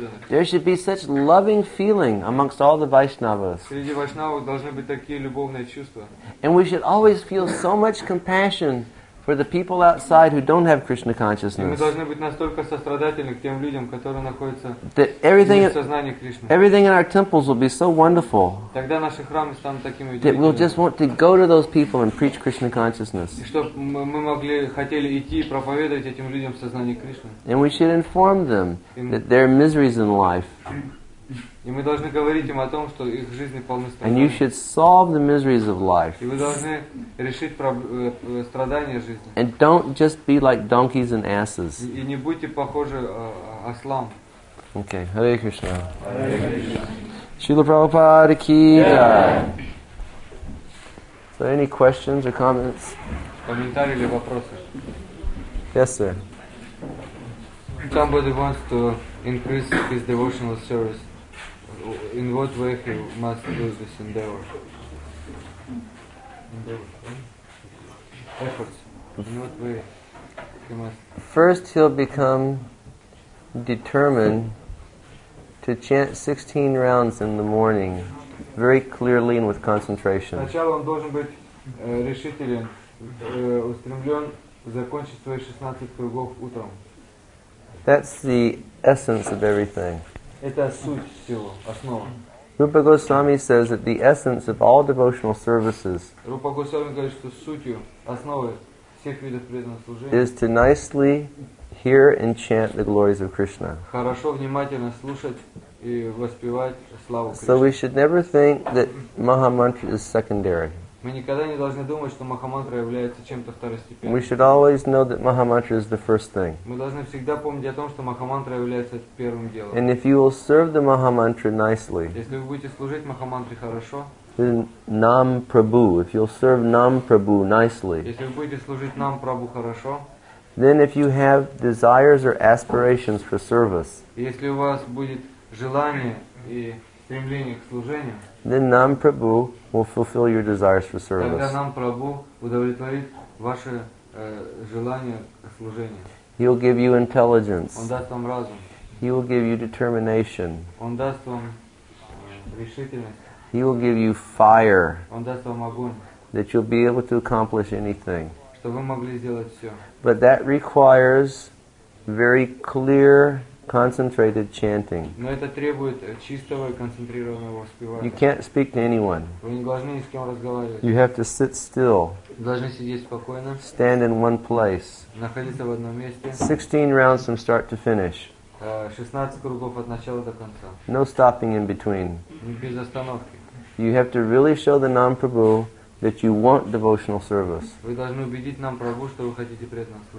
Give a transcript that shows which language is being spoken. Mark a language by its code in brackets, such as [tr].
[en] There should be such loving feeling amongst all the Vaishnavas. And we should always feel so much compassion for the people outside who don't have Krishna consciousness. [ru] Мы должны быть настолько сострадательны к тем людям, которые находятся в сознании Кришны. [en] Everything in our temples will be so wonderful. [ru] Тогда наши храмы станут такими. [en] That we'll just want to go to those people and preach Krishna consciousness. [ru] И чтоб мы могли хотели идти и проповедовать этим людям в сознании Кришны. [en] And we should inform them that there are miseries in life. [ru] И мы должны говорить им о том, что их жизни полны страданий. [en] And you should solve the miseries of life. [ru] И вы должны решить страдания жизни. [en] And don't just be like donkeys and asses. [ru] И не будьте похожи ослам. [en] Okay, Hare Krishna. Hare Krishna. Srila Prabhupada ki jai. So any questions or comments? [ru] Комментарии или вопросы? [en] Yes, sir. Somebody wants to increase his devotional service. In what way he must do this endeavor? Efforts. In what way he must? First, he'll become determined to chant 16 rounds in the morning, very clearly and with concentration. [ru] Сначала он должен быть решителен, устремлен, закончить свои 16 кругов утром. [en] That's the essence of everything. [ru] Это суть всего, основа. [en] Rupa Goswami says that the essence of all devotional services is to nicely hear and chant the glories of Krishna. [ru] Хорошо внимательно слушать и воспевать славу Кришны. [en] So we should never think that Maha Mantra is secondary. [ru] Мы никогда не должны думать, что Махамантра является чем-то второстепенным. [en] We should always know that Mahamantra is the first thing. [ru] Мы должны всегда помнить о том, что Махамантра является первым делом. [en] And if you will serve the Mahamantra nicely, [ru] если вы будете служить Махамантре хорошо, [en] then Nam Prabhu, if you'll serve Nam Prabhu nicely, [ru] если вы будете служить Нам Прабху хорошо, [en] then if you have desires or aspirations for service, [ru] если у вас будет желание и стремление к служению, [en] then Nam Prabhu will fulfill your desires for service. [ru] Тогда Нам Прабху удовлетворит ваше желание к служению. [en] He will give you intelligence. [ru] Он даст вам разум. [en] He will give you determination. [ru] Он даст вам решительность. [en] He will give you fire. [ru] Он даст вам огонь. [en] That you'll be able to accomplish anything. [ru] Чтобы вы могли сделать все. [en] But that requires very clear, concentrated chanting. [ru] Но это требует чистого и концентрированного воспевания. [en] You can't speak to anyone. [ru] Вы не должны ни с кем разговаривать. [en] You have to sit still. [ru] Вы должны сидеть спокойно. [en] Stand in one place. [ru] Находиться в одном месте. [en] 16 rounds from start to finish. [ru] 16 кругов от начала до конца. [en] No stopping in between. [ru] Без остановки. [en] You have to really show the Nam Prabhu that you want devotional service. [ru] Вы должны убедить Нам Прабху, что вы хотите преданного служения.